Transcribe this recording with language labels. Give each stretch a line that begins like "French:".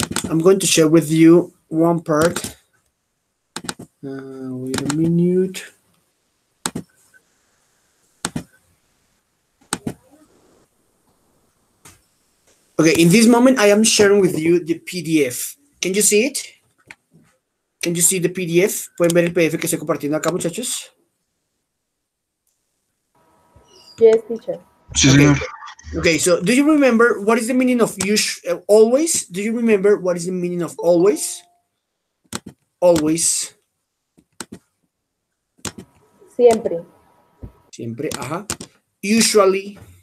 English: I'm going to share with you one part. Wait a minute. Okay, in this moment, I am sharing with you the PDF. Can you see it? Can you see the PDF?
Spanish: ¿Pueden ver el PDF que estoy compartiendo acá, muchachos?
English: Yes, teacher.
Spanish: Sí, señor.
English: Okay, so do you remember what is the meaning of always? Do you remember what is the meaning of always? Always.
Spanish: Siempre. Siempre, ajá. Usually.